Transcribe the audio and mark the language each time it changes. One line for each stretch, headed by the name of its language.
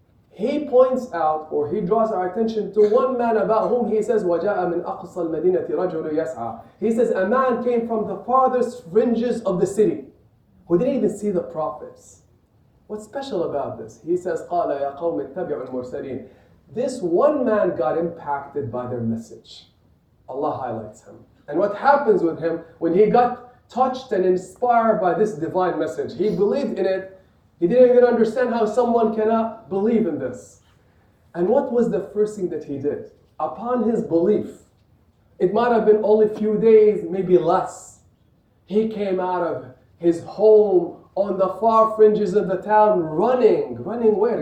English: He points out, or he draws our attention to one man about whom he says,
Arabic: وَجَاءَ مِنْ أَقْصَى الْمَدِينَةِ رَجُلُ يَسْعَى.
English: He says, a man came from the farthest fringes of the city who didn't even see the prophets. What's special about this? He says,
Arabic: قَالَ يَا قَوْمِ اتَّبِعُوا الْمُرْسَلِينَ.
English: This one man got impacted by their message. Allah highlights him. And what happens with him when he got touched and inspired by this divine message? He believed in it. He didn't even understand how someone cannot believe in this. And what was the first thing that he did? Upon his belief, it might have been only a few days, maybe less, he came out of his home on the far fringes of the town, running where?